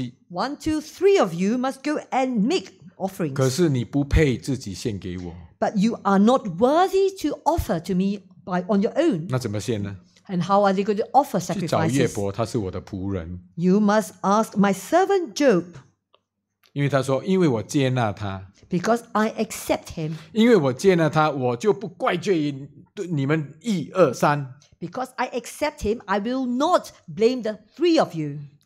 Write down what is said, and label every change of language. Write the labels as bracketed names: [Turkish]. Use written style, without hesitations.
[English] one, two, three of you must go and make offerings. [Chinese] 可是你不配自己献给我, [English] but you are not worthy to offer to me by, on your own. [Chinese] 那怎么献呢? [English] And how are they going to offer sacrifices? [Chinese] 去找约伯, 他是我的仆人, [English] you must ask my servant Job. [Chinese] 因为他说, 因为我接纳他, [English] because I accept him. [Chinese] 因为我接纳他, 我就不怪罪你们一, 二, 三, [English] because I accept him, I will not blame the three of you.